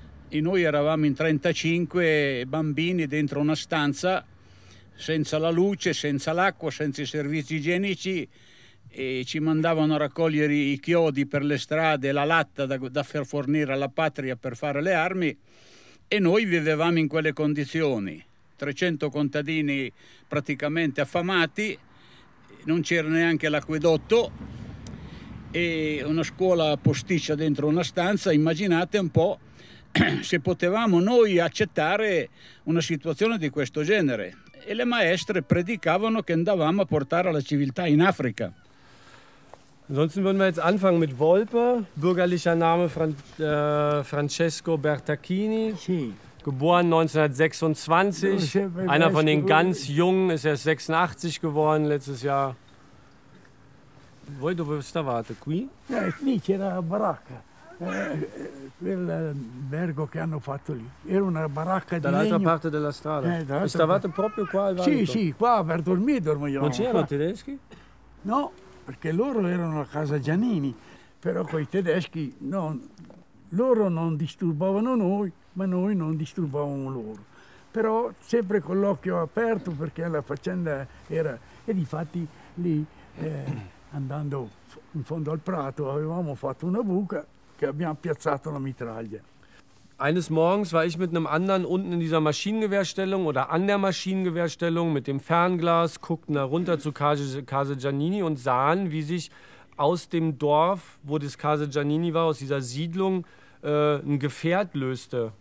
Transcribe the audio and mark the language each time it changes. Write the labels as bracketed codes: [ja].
[it] e noi eravamo in 35 bambini dentro una stanza senza la luce, senza l'acqua, senza i servizi igienici, e ci mandavano a raccogliere i chiodi per le strade, la latta da far fornire alla patria per fare le armi, e noi vivevamo in quelle condizioni, 300 contadini praticamente affamati, non c'era neanche l'acquedotto e una scuola posticcia dentro una stanza. Immaginate un po' se potevamo noi accettare una situazione di questo genere. E le maestre predicavano che andavamo a portare la civiltà in Africa. [de] Ansonsten würden wir jetzt anfangen mit Volpe, bürgerlicher Name Francesco Bertacchini, [it] sì. [de] Geboren 1926, einer von den ganz Jungen, ist erst 86 geworden letztes Jahr. [it] Voi dove stavate? Qui? Qui c'era la baracca. Quell'albergo che hanno fatto lì era una baracca di dall'altra legno. Parte della strada stavate proprio qua al sì sì qua per dormire dormivano. Non c'erano qua. Tedeschi? No, perché loro erano a casa Giannini, però quei tedeschi non, loro non disturbavano noi, ma noi non disturbavamo loro, però sempre con l'occhio aperto, perché la faccenda era. E difatti lì andando in fondo al prato avevamo fatto una buca che abbiamo piazzato la mitraglia. [de] Eines morgens war ich mit einem anderen unten in dieser Maschinengewehrstellung oder an der Maschinengewehrstellung mit dem Fernglas, guckten da runter zu Casa Giannini und sahen, wie sich aus dem Dorf, wo das Casa Giannini war, aus dieser Siedlung, ein Gefährt löste.